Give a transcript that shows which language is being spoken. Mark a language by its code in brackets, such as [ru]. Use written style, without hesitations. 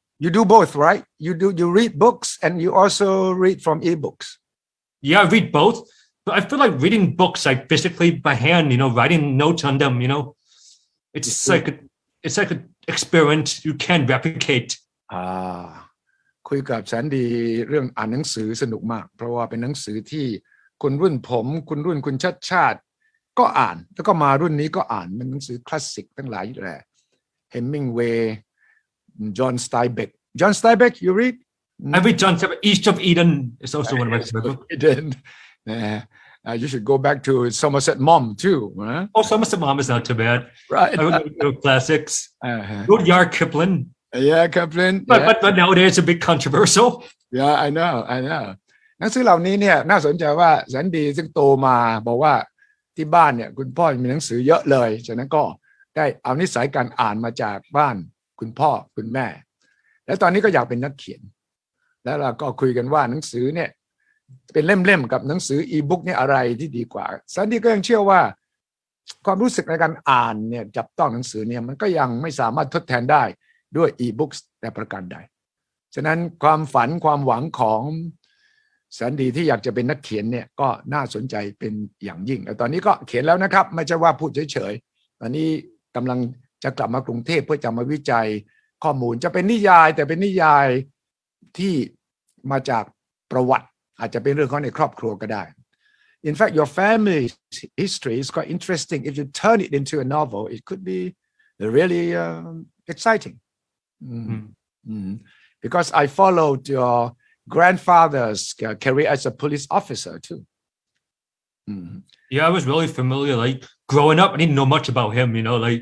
[en] You do both, right? You read books and you also read from e-books. Yeah, I read both. But I feel like reading books, like physically by hand, you know, writing notes on them, you know, it's like an experience you can't replicate. [th] คุยกับฉันดีเรื่องอ่านหนังสือสนุกมากเพราะว่าเป็นหนังสือที่คนรุ่นผมคนรุ่นคุณชัดชาติก็อ่านแล้วก็มารุ่นนี้ก็อ่านเป็นหนังสือคลาสสิกทั้งหลายแหละเฮมิงเวย์จอห์นสไตเบกจอห์นสไตเบก [en] you read I read John Steinbeck East of Eden is also one of my favorite Yeah, you should go back to Somerset Maugham too. Huh? Oh, Somerset Maugham is not too bad. Right. I would like to do classics. Rudyard Kipling. Yeah, Kipling. But nowadays it's a bit controversial. Yeah, I know. [th] หนังสือเหล่านี้เนี่ยน่าสนใจว่าแสนดีซึ่งโตมาบอกว่าที่บ้านเนี่ยคุณพ่อมีหนังสือเยอะเลยฉะนั้นก็ได้เอานิสัยการอ่านมาจากบ้านคุณพ่อคุณแม่และตอนนี้ก็อยากเป็นนักเขียนแล้วเราก็คุยกันว่าหนังสือเนี่ยเป็นเล่มๆกับหนังสืออีบุ๊กนี่อะไรที่ดีกว่าซันดี้ก็ยังเชื่อว่าความรู้สึกในการอ่านเนี่ยจับต้องหนังสือเนี่ยมันก็ยังไม่สามารถทดแทนได้ด้วยอีบุ๊กแต่ประการใดฉะนั้นความฝันความหวังของ ซันดี้ที่อยากจะเป็นนักเขียนเนี่ยก็น่าสนใจเป็นอย่างยิ่งแต่ตอนนี้ก็เขียนแล้วนะครับไม่ใช่ว่าพูดเฉยๆตอนนี้กำลังจะกลับมากรุงเทพเพื่อจะมาวิจัยข้อมูลจะเป็นนิยายแต่เป็นนิยายที่มาจากประวัติอาจจะเป็นเรื่องของในครอบครัวก็ได้ [en] In fact, your family history is quite interesting. If you turn it into a novel, it could be really exciting. Because I followed your grandfather's career as a police officer too. Yeah, I was really familiar. Like growing up, I didn't know much about him, you know.